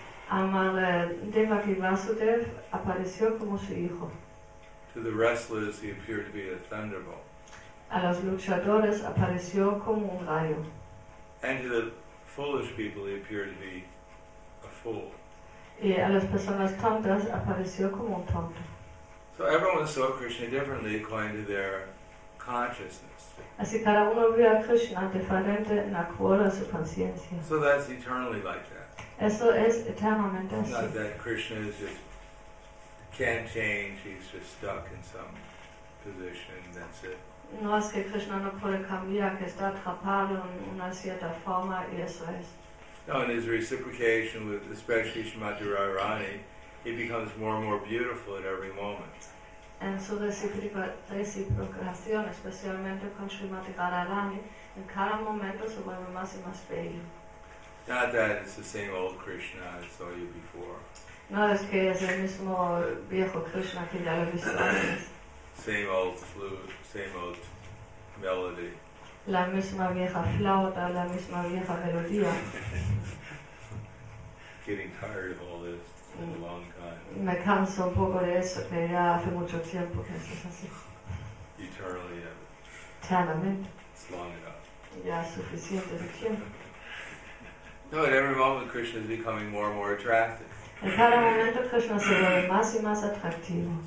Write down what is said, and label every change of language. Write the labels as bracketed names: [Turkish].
[Spanish] A Mother Devaki Vasudev apareció como su hijo. [English] To the wrestlers, he appeared to be a thunderbolt. [Spanish] A los luchadores apareció como un rayo. [English] And to the foolish people, he appeared to be a fool. [Spanish] Y a las personas tontas apareció como un tonto. [English] So everyone saw Krishna differently according to their consciousness. [Spanish] Así cada uno vio a Krishna diferente en acuerdo a su conciencia. [English] So that's eternally like that. [Spanish] Eso es eternamente así. [English] Not that Krishna is just can't change, he's just stuck in some position, that's it. [Spanish] No es que Krishna no puede cambiar, que está atrapado en una cierta forma y eso es. [English] No, in his reciprocation with especially Srimati Radharani, he becomes more and more beautiful at every moment. [Spanish] En su reciprocación, especialmente con Srimati Radharani, en cada momento se vuelve más y más bello. [English] Not that it's the same old Krishna I saw you before. [Spanish] No es que es el mismo viejo Krishna que ya lo he visto antes. [English] Same old flute, same old melody. [Spanish] La misma vieja flauta, la misma vieja melodía. [English] Getting tired of all this for a long time. [Spanish] Me canso un poco de eso, que ya hace mucho tiempo que eso es así. [English] Eternally. [Spanish] Eternamente. [English] It's long enough. [Spanish] Ya es suficiente de tiempo. [English] No, at every moment Krishna is becoming more and more attractive. [Spanish] En cada momento Krishna se vuelve más y más atractivo.